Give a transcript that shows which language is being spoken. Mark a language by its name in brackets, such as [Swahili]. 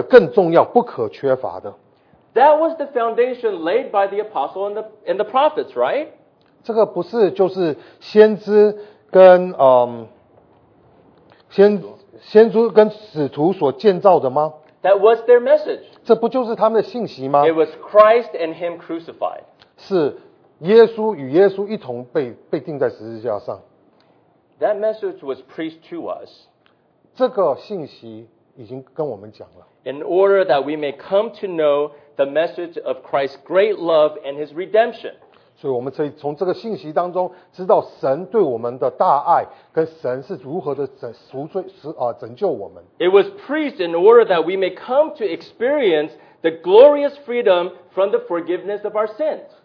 [Chinese] 所以对于一个教会来讲，没有一个东西比耶稣基督他自己的爱、他的死、他的复活来的更重要、不可缺乏的。 [English] That was the foundation laid by the apostle and the prophets, right? [Chinese] 这个不是就是先知跟 先祖跟使徒所建造的吗? [English] That was their message. [Chinese] 这不就是他们的信息吗? [English] It was Christ and him crucified. [Chinese] 是耶稣与耶稣一同被钉在十字架上。 [English] That message was preached to us. [Chinese] 这个信息已经跟我们讲了。 [English] In order that we may come to know the message of Christ's great love and his redemption. [Chinese] 所以我们可以从这个信息当中知道神对我们的大爱跟神是如何的拯救我们。It [English] was preached in order that we may come to experience the glorious freedom from the forgiveness of our sins.